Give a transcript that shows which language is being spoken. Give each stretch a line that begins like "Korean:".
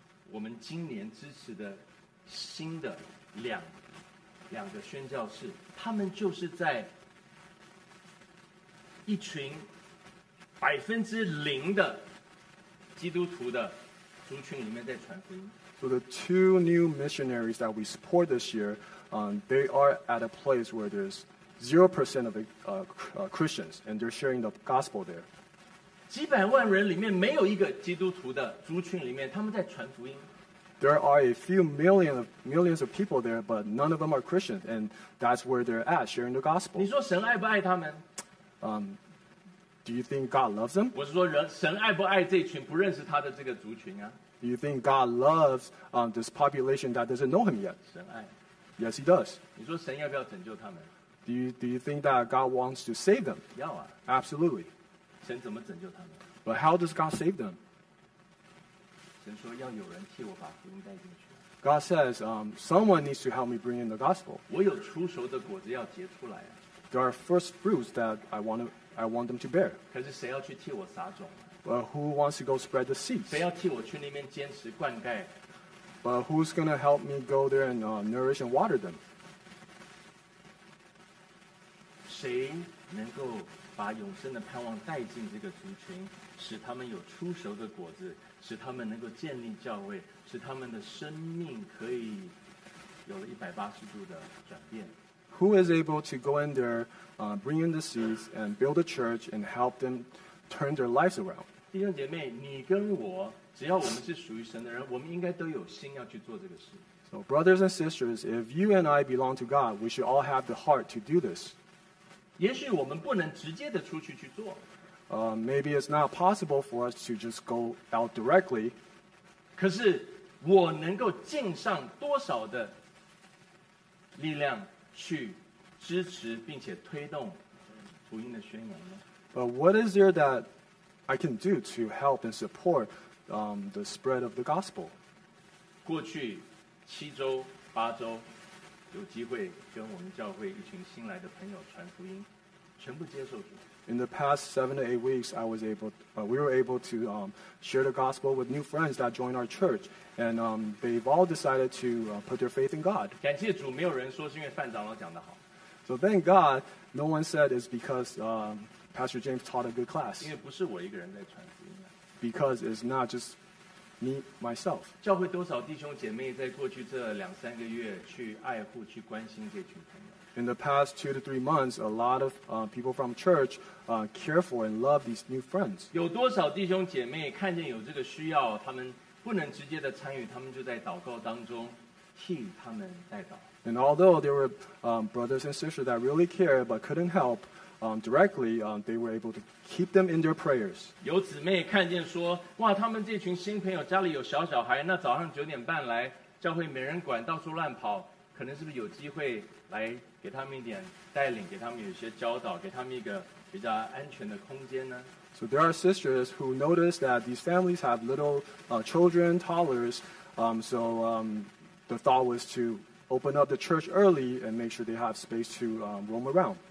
Chinese: 我们今年支持的新的两个宣教士，他们就是在一群0%的基督徒的族群里面在传福音。
English: So the two new missionaries that we support this year, they are at a place where there's 0% of Christians, and they're sharing the gospel there.
Chinese: 几百万人里面没有一个基督徒的族群里面，他们在传福音。
English: There are a few millions of people there, but none of them are Christians, and that's where they're at, sharing the gospel.
Chinese: 你说神爱不爱他们？
English: Do you think God loves them?
Chinese: 我是说神爱不爱这群不认识他的这个族群啊？
English: Do you think God loves this population that doesn't know him yet?
Chinese: 神爱。
English: Yes, he does.
Chinese: 你说神要不要拯救他们？
English: Do you think that God wants to save them?
Chinese: 要啊。
English: Absolutely.
Chinese: 神怎么拯救他们？
English: But how does God save them?
Chinese: 神说要有人替我把福音带进去。
English: God says, someone needs to help me bring in the gospel.
Chinese: 我有出熟的果子要结出来啊。
English: There are first fruits that I want them to bear.
Chinese: 可是谁要去替我撒种？
English: But who wants to go spread the seeds?
Chinese: 谁要替我去那边坚持灌溉？
English: But who's going to help me go there and nourish and water them?
Chinese: 谁能够把永生的盼望带进这个族群，使他们有出熟的果子，使他们能够建立教会，使他们的生命可以有了180度的转变？
English: Who is able to go in there, bring in the seeds, and build a church, and help them turn their lives around?
Chinese: 弟兄姐妹，你跟我，只要我们是属于神的人，我们应该都有心要去做这个事。
English: So brothers and sisters, if you and I belong to God, we should all have the heart to do this.
Chinese: 也许我们不能直接的出去做。
English: Maybe it's not possible for us to just go out directly.
Chinese: 可是我能够尽上多少的力量去支持并且推动福音的宣扬呢？
English: But what is there that I can do to help and support the spread of the gospel?
Chinese: 过去7周、8周有机会跟我们教会一群新来的朋友传福音，全部接受主。
English: In the past 7 to 8 weeks, we were able to share the gospel with new friends that joined our church, and they've all decided to put their faith in God.
Chinese: 感谢主，没有人说是因为范长老讲得好。
English: So thank God, no one said it's because Pastor James taught a good class.
Chinese: 因为不是我一个人在传福音。
English: Because it's not just me myself.
Chinese: 教会多少弟兄姐妹在过去这两三个月去爱护、去关心这群朋友。
English: In the past 2 to 3 months, a lot of people from church care for and love these new friends.
Chinese: 有多少弟兄姐妹看见有这个需要，他们不能直接的参与，他们就在祷告当中替他们代祷。
English: And although there were brothers and sisters that really cared but couldn't help directly, they were able to keep them in their prayers.
Chinese: 有姊妹看见说，哇，他们这群新朋友家里有小小孩，那早上9:30来教会没人管，到处乱跑，可能是不是有机会来给他们一点带领，给他们有些教导，给他们一个比较安全的空间呢？
English: So there are sisters who notice that these families have little children, toddlers. The thought was to open up the church early and make sure they have space to roam around.